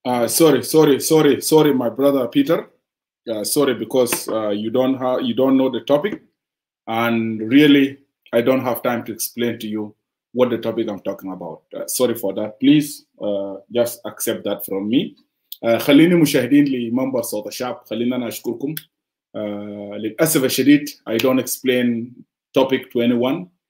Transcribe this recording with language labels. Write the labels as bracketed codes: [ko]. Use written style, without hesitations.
[en] sorry, my brother Peter, sorry because you don't know the topic, and really I don't have time to explain to you what the topic I'm talking about. Sorry for that. Please just accept that from me. [ar] خليني مشاهدين لمنبر صوت الشعب خلينا نشكركم. للأسف الشديد [en] I don't explain topic to anyone.